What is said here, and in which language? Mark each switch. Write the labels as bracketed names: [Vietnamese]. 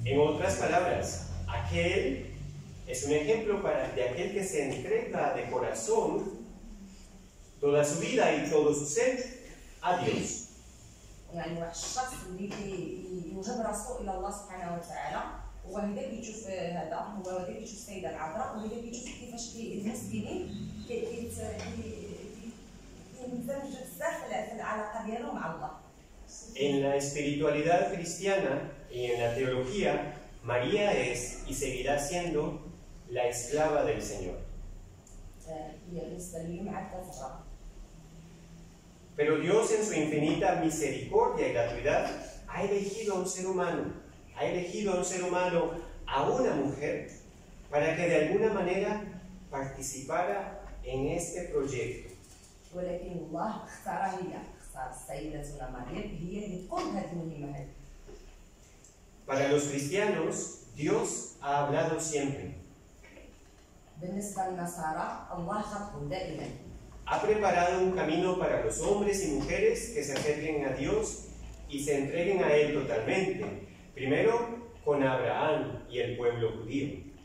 [Spanish] En otras palabras, aquel es un ejemplo de aquel que se entrega de corazón toda su vida y todo su ser a Dios. [Arabic] يعني واحد الشخص اللي يوجب راسه الى الله سبحانه وتعالى هو هذا كيشوف هذا هو هذا كيشوف السيدة العذراء وهو هذا كيشوف كيفاش المسلمين كيندمج بزاف في العلاقة ديالو مع الله. [Spanish] En la espiritualidad cristiana y en la teología, María es y seguirá siendo la esclava del Señor. [Arabic] هي بالنسبة ليهم عبدة الله. [Spanish] Pero Dios en su infinita misericordia y gratuidad ha elegido a un ser humano, a una mujer, para que de alguna manera participara en este proyecto. [Arabic] ولكن الله اختار هي اختار سيدتنا مريم هي اللي تقوم هذه المهمه. [Spanish] Para los cristianos, Dios ha hablado siempre. [Arabic] بالنسبه للنصارى الله خطهم دائما. [Spanish] Ha preparado un camino para los hombres y mujeres que se acerquen a Dios y se entreguen a Él totalmente. Primero con Abraham y el pueblo judío.